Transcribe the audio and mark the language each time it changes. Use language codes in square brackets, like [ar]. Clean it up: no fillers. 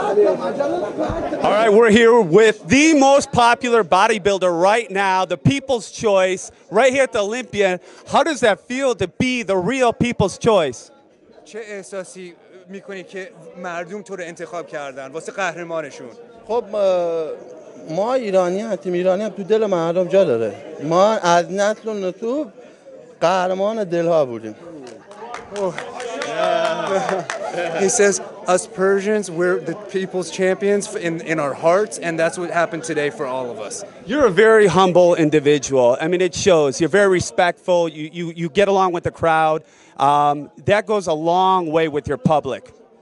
[en] All right, we're here with the most popular bodybuilder right now, the People's Choice, right here at the Olympia. How does that feel to be the real People's Choice? [fa] چه احساسی میکنی که مردم تو رو انتخاب کردن واسه قهرمانشون؟ خب ما ایرانی هستیم، ایرانی هم تو دل مردم جا داره. ما از نسل و نسوب قهرمان دلها بودیم. [en] He says, us Persians, we're the people's champions in our hearts, and that's what happened today for all of us. You're a very humble individual. I mean, it shows. You're very respectful. You get along with the crowd. That goes a long way with your public.